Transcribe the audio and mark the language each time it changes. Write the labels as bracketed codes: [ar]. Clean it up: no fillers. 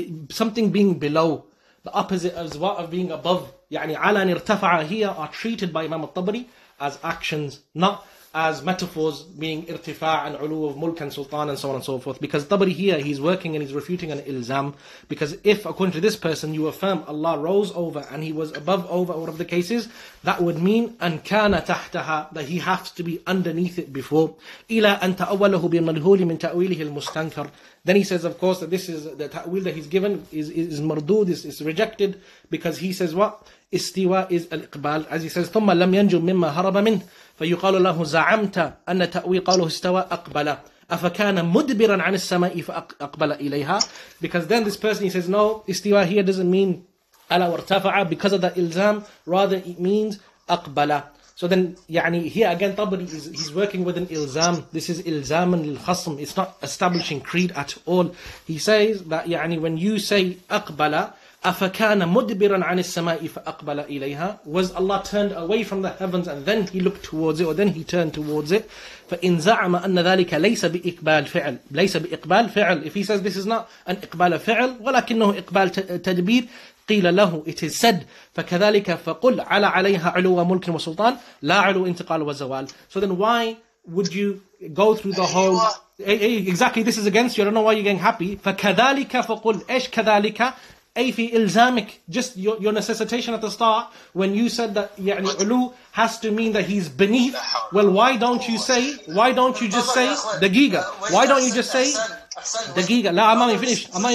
[en] Something being below, the opposite as what of being above, [ar] يعني على نرتفع [en] here are treated by Imam al-Tabari as actions, not as metaphors, meaning ارتفاع and علو of ملك and سلطان and so on and so forth. Because Tabari here, he's working and he's refuting an ilzam. Because if, according to this person, you affirm Allah rose over and he was above over one of the cases, that would mean [ar] أن كان تحتها, [en] that he has to be underneath it before. [ar] إلى أن تأوله بالملهول من تأويله المستنكر. [en] Then he says, of course, that this is the ta'wil that he's given is mardood, is rejected. Because he says what? [ar] استواء is الإقبال. [en] As he says, [ar] ثم لم ينجو مما هرب منه. فيقال له زعمت أن تأوي قاله استوى أقبل أفكان مدبرا عن السماء فأقبل إليها [en] Because then this person he says no استوى here doesn't mean [ar] ألا وارتفع [en] because of the إلزام rather it means أقبل So then يعني here again Tabari is he's working with an إلزام This is [ar] إلزام للخصم [en] It's not establishing creed at all He says that يعني when you say أقبل [ar] أَفَكَانَ مُدْبِرًا عَنِ السَّمَاءِ فَأَقْبَلَ إِلَيْهَا. [en] Was Allah turned away from the heavens and then he looked towards it, or then he turned towards it? [ar] فَإِنْ زَعْمَ أَنَّ ذَلِكَ لَيْسَ بِإِقْبَالِ فِعْلٍ. لَيْسَ بِإِقْبَالِ فِعْلٍ. [en] If he says this is not an إِقْبَالَ فِعْلٍ, [ar] وَلَكِنَّهُ إِقْبَالَ تَدْبِيرٍ. قيل له, [en] it is said, [ar] فكذلك فقل على عليها علو ملك وسلطان لا علو انتقال وزوال. [en] So then why would you go through the whole, exactly, this is against you, I don't know why you're getting happy. [ar] فكذلك فقل, ايش كذلك, اي في الزامك, [en] just your necessitation at the start when you said that يعني علو has to mean that he's beneath. Well, why don't you just say دقيقة, why don't you just say دقيقة, لا, I'm not even finished.